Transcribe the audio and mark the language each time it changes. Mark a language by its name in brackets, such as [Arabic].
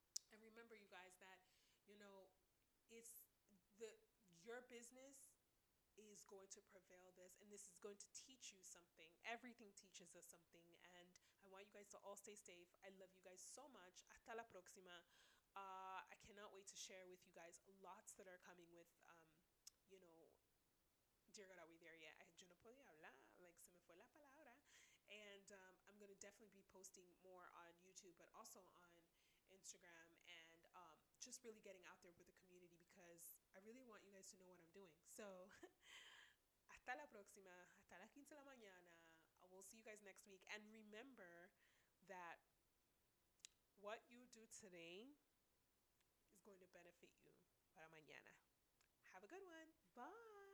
[English] And remember, you guys, that, you know, it's your business is going to prevail this, and this is going to teach you something. Everything teaches us something, and I want you guys to all stay safe. I love you guys so much. [Spanish] Hasta la próxima. [English] I cannot wait to share with you guys lots that are coming with, you know, Dear God, Are We There Yet? [Spanish] Yo no podía hablar, like, se me fue la palabra. [English] And I'm going to definitely be posting more on YouTube, but also on Instagram, and just really getting out there with the community, because I really want you guys to know what I'm doing. [Spanish] So, hasta la próxima, hasta la quince la mañana. [English] I will see you guys next week. And remember that what you do today is going to benefit you [Spanish] para mañana. [English] Have a good one. Bye.